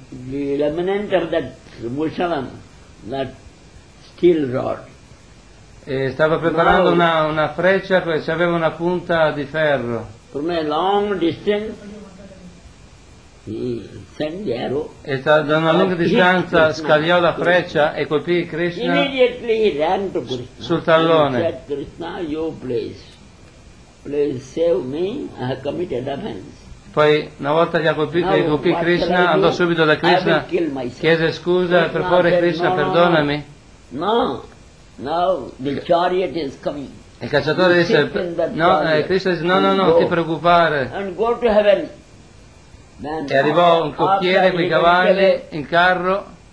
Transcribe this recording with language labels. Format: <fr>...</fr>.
<en>The remnant of that mushalam, that steel rod.</en> <it>E stava preparando una freccia che aveva una punta di ferro.</it> <en>From a long distance. Send the arrow,</en> <it>e da una lunga distanza scagliò la freccia e colpì Krishna,</it> <en>immediately he ran to Krishna</en> <it>sul tallone.</it> <en>Said, Krishna, you please save me, I have committed offense.</en> <it>Poi una volta che colpì Krishna, andò subito da Krishna, chiese scusa, per favore Krishna, perdonami.</it> <en>No, the chariot is coming.</en> <it>Il cacciatore disse, Krishna dice, no, non ti preoccupare.</it> <en>And go to heaven.</en> <it>E arrivò un cocchiere con i cavalli in carro.</it>